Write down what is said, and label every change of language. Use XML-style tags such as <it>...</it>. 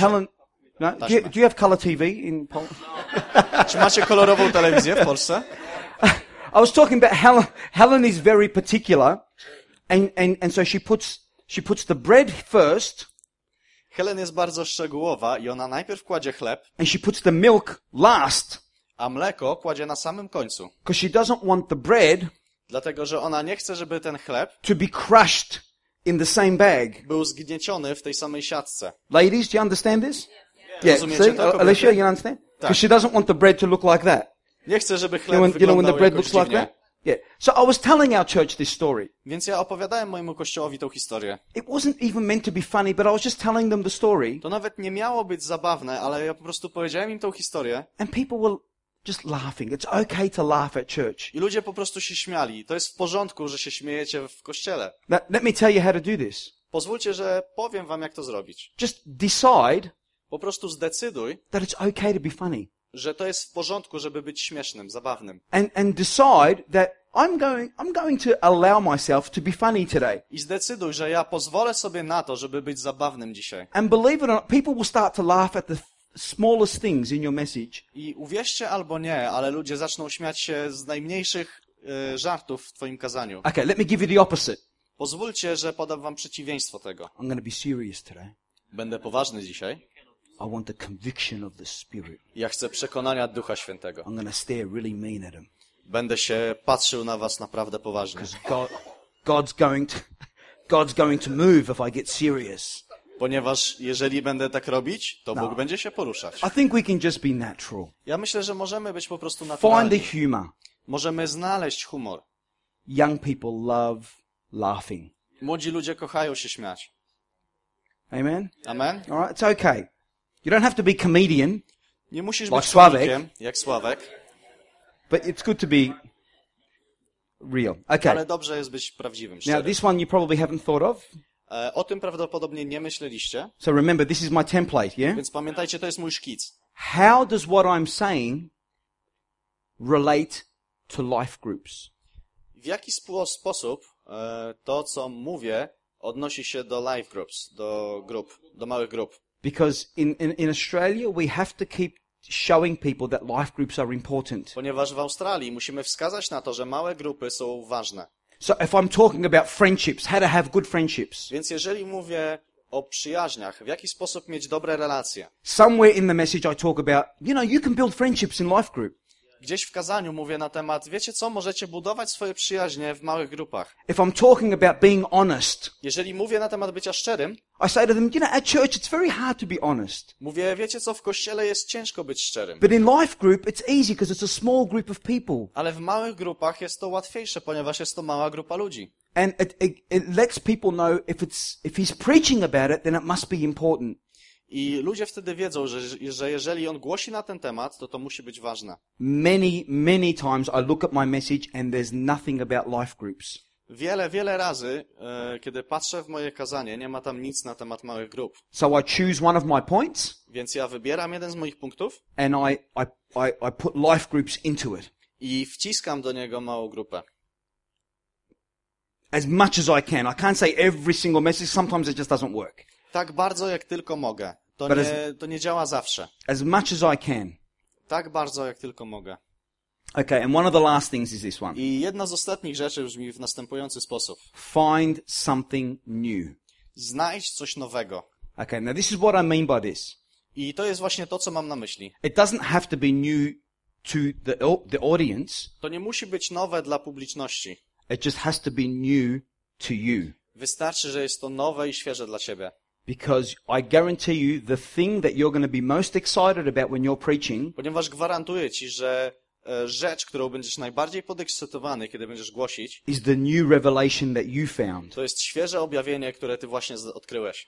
<en>Helen, no, do you have color TV in Poland?</en> <pl>Czy macie kolorową telewizję w Polsce?</pl> <en>I was talking about Helen is very particular, and so she puts the bread first.</en> <pl>Helen jest bardzo szczegółowa i ona najpierw kładzie chleb.</pl> <en>And she puts the milk last.</en> <pl>A mleko kładzie na samym końcu.</pl> <en>Because she doesn't want the bread.</en> <pl>Dlatego, że ona nie chce, żeby ten chleb</pl> <en>to be crushed in the same bag.</en> <pl>Był zgnieciony w tej samej siatce.</pl> <en>Ladies, do you understand this?</en> <pl>Yeah. Rozumiecie to, kobiety?</pl> <en>Alicia, you understand? Because she doesn't want the bread to look like that.</en> <pl>Nie chce, żeby chleb wyglądał jakoś dziwnie.</pl> <en>Like that? Yeah. So I was telling our church this story.</en> <pl>Więc ja opowiadałem mojemu kościołowi tą historię.</pl> <en>It wasn't even meant to be funny, but I was just telling them the story.</en> <pl>To nawet nie miało być zabawne, ale ja po prostu powiedziałem im tą historię.</pl> <en>And people were just laughing. It's okay to laugh at church.</en> <pl>I ludzie po prostu się śmiali. To jest w porządku, że się śmiejecie w kościele.</pl> <en>Now, let me tell you how to do this.</en> <pl>Pozwólcie, że powiem wam, jak to zrobić.</pl> <en>Just decide.</en> <pl>Po prostu zdecyduj.</pl> <en>That it's okay to be funny.</en> <pl>Że to jest w porządku, żeby być śmiesznym, zabawnym.</pl> <en>And decide that I'm going to allow myself to be funny today.</en> <pl>I zdecyduj, że ja pozwolę sobie na to, żeby być zabawnym dzisiaj.</pl> <en>And believe it or not, people will start to laugh at the smallest things in your message.</en> <pl>I uwierzcie albo nie, ale ludzie zaczną śmiać się z najmniejszych żartów w twoim kazaniu.</pl> <en>Okay, let me give you the opposite.</en> <pl>Pozwólcie, że podam wam przeciwieństwo tego.</pl> <en>I'm going to be serious today.</en> <pl>Będę poważny dzisiaj.</pl> <en>I want the conviction of the Spirit.</en> <pl>Ja chcę przekonania Ducha Świętego.</pl> <en>I'm going to stare really mean at him.</en> <pl>Będę się patrzył na was naprawdę poważnie.</pl> <en>Because God's going to move if I get serious.</en> <pl>Ponieważ jeżeli będę tak robić, to no. Bóg będzie się poruszać.</pl> <en>I think we can just be natural.</en> <pl>Ja myślę, że możemy być po prostu naturalni.</pl> <en>Find the humor.</en> <pl>Możemy znaleźć humor.</pl> <en>Young people love laughing.</en> <pl>Młodzi ludzie kochają się śmiać.</pl> <en>Amen.</en> <pl>Amen.</pl> <en>All right, it's okay. You don't have to be comedian.</en> <pl>Nie musisz być komikiem, jak Sławek.</pl> <en>But it's good to be real. Okay.</en> <pl>Ale dobrze jest być prawdziwym, szczerym.</pl> <en>Now this one you probably haven't thought of.</en> <pl>O tym prawdopodobnie nie myśleliście.</pl> <en>So remember, this is my template, yeah?</en> <pl>Więc pamiętajcie, to jest mój szkic.</pl> <en>How does what I'm saying relate to life groups?</en> <pl>W jaki sposób to, co mówię, odnosi się do life groups, do grup, do małych grup?</pl> <en>Because in Australia we have to keep showing people that life groups are important.</en> <pl>Ponieważ w Australii musimy wskazać na to, że małe grupy są ważne.</pl> <en>So if I'm talking about friendships, how to have good friendships.</en> <pl>Więc jeżeli mówię o przyjaźniach, w jaki sposób mieć dobre relacje.</pl> <en>Somewhere in the message I talk about, you know, you can build friendships in life group.</en> <pl>Gdzieś w kazaniu mówię na temat, wiecie co, możecie budować swoje przyjaźnie w małych grupach.</pl> <en>If I'm talking about being honest.</en> <pl>Jeżeli mówię na temat bycia szczerym.</pl> <en>I say to them, you know, at church it's very hard to be honest.</en> <pl>Mówię, wiecie co, w kościele jest ciężko być szczerym.</pl> <en>But in life group it's easy because it's a small group of people.</en> <pl>Ale w małych grupach jest to łatwiejsze, ponieważ jest to mała grupa ludzi.</pl> <en>And it lets people know if he's preaching about it, then it must be important.</en> <pl>I ludzie wtedy wiedzą, że jeżeli on głosi na ten temat, to musi być ważne.</pl> <en>Many, many times I look at my message and there's nothing about life groups.</en> <pl>Wiele, wiele razy, kiedy patrzę w moje kazanie, nie ma tam nic na temat małych grup.</pl> <en>So I choose one of my points.</en> <pl>Więc ja wybieram jeden z moich punktów.</pl> <en>And I put life groups into it.</en> <pl>I wciskam do niego małą grupę.</pl> <en>As much as I can. I can't say every single message. Sometimes it just doesn't work.</en> <pl>Tak bardzo, jak tylko mogę. To nie działa zawsze.</pl> <en>As much as I can.</en> <pl>Tak bardzo, jak tylko mogę.</pl> <en>Okay, and one of the last things is this one.</en> <pl>I jedna z ostatnich rzeczy brzmi w następujący sposób.</pl> <en>Find something new.</en> <pl>Znajdź coś nowego.</pl> <en>Okay, now this is what I mean by this.</en> <pl>I to jest właśnie to, co mam na myśli.</pl> <en>It doesn't have to be new to the audience.</en> <pl>To nie musi być nowe dla publiczności.</pl> <en>It just has to be new to you.</en> <pl>Wystarczy, że jest to nowe i świeże dla ciebie.</pl> <en>Because I guarantee you the thing that you're going to be most excited about when you're preaching.</en> <pl>Ponieważ gwarantuję ci, że rzecz, którą będziesz najbardziej podekscytowany, kiedy będziesz głosić,</pl> <en>is the new revelation that you found.</en> <pl>To jest świeże objawienie, które ty właśnie odkryłeś.</pl>